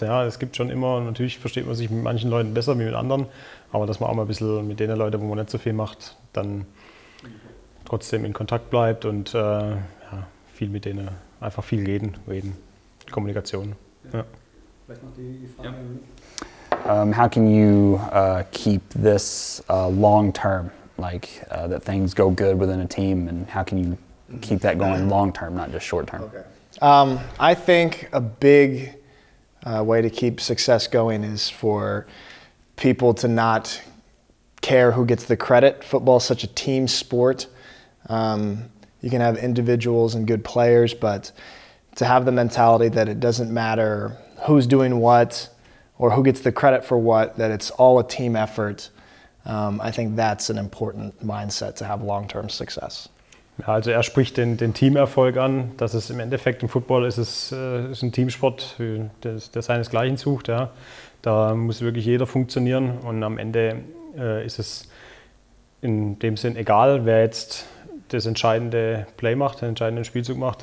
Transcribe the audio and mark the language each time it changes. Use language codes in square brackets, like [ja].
[de] Ja, es gibt schon immer, natürlich versteht man sich mit manchen Leuten besser wie mit anderen, aber dass man auch mal ein bisschen mit den Leuten, wo man nicht so viel macht, dann trotzdem in Kontakt bleibt und viel mit denen, einfach viel reden, Kommunikation. Ja. Vielleicht noch die Frage. Ja. [en] How can you keep this long term, like that things go good within a team, and how can you keep that going long term, not just short term? Okay. I think a big way to keep success going is for people to not care who gets the credit. Football is such a team sport. You can have individuals and good players, but to have the mentality that it doesn't matter who's doing what, or who gets the credit for what, that it's all a team effort. I think that's an important mindset to have long-term success. [de] Ja, also er spricht den Teamerfolg an, dass es im Endeffekt im Football ist ein Teamsport, der seinesgleichen sucht. Ja. Da muss wirklich jeder funktionieren und am Ende ist es in dem Sinn egal, wer jetzt das entscheidende Play macht, den entscheidenden Spielzug macht.